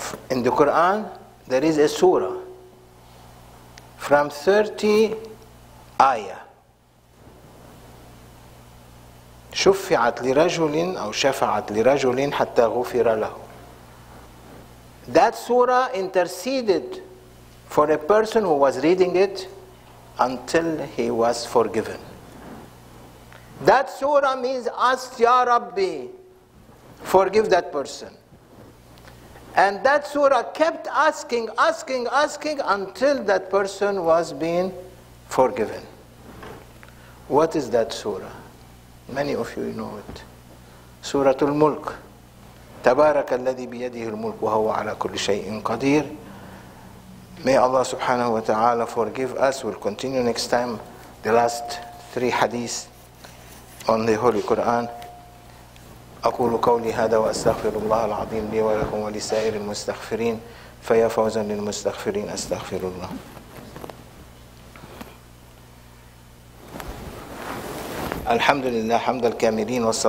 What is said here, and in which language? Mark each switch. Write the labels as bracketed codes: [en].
[en] In the Quran there is a surah from 30 [ar] آية شفعت لرجل أو شفعت لرجل حتى غفر له. [en] That surah interceded for a person who was reading it until he was forgiven. That surah means ask Ya Rabbi, forgive that person. And that surah kept asking until that person was being forgiven. What is that surah? Many of you know it. Suratul Mulk. [ar] تبارك الذي بيده الملك وهو على كل شيء قدير. [en] May Allah subhanahu wa ta'ala forgive us. We'll continue next time the last three hadiths on the Holy Quran. [ar] أقول قولي هذا وأستغفر الله العظيم لي ولكم ولسائر المستغفرين فيا فوزا للمستغفرين أستغفر الله. الحمد لله حمد الكاملين والصلاة